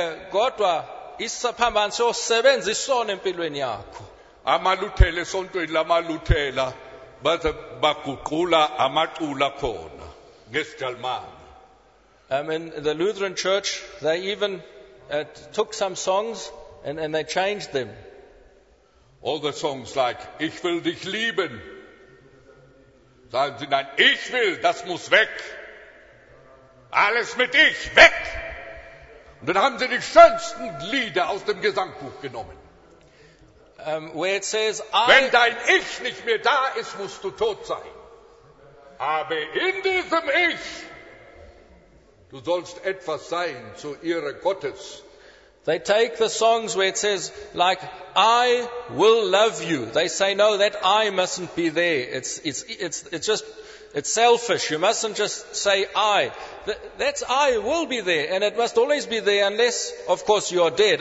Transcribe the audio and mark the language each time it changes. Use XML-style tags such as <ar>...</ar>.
<zu>Kodwa isiphambano siyosebenza isona empilweni yakho. Amaluthele esontweni lamaluthela baze baguqula amacula khona ngesijalmane.</zu> <en>In the Lutheran church, they even took some songs and they changed them. All the songs like,</en> <de>Ich will dich lieben. Sagen sie, nein, ich will, das muss weg. Alles mit ich, weg. Und dann haben sie die schönsten Lieder aus dem Gesangbuch genommen.</de> <en>Where it says,</en> <de>wenn dein Ich nicht mehr da ist, musst du tot sein. Aber in diesem Ich, du sollst etwas sein zu Ehre Gottes.</de> <en>They take the songs where it says, like, I will love you. They say, no, that I mustn't be there. It's selfish. You mustn't just say I. That's I will be there, and it must always be there, unless, of course, you are dead.</en>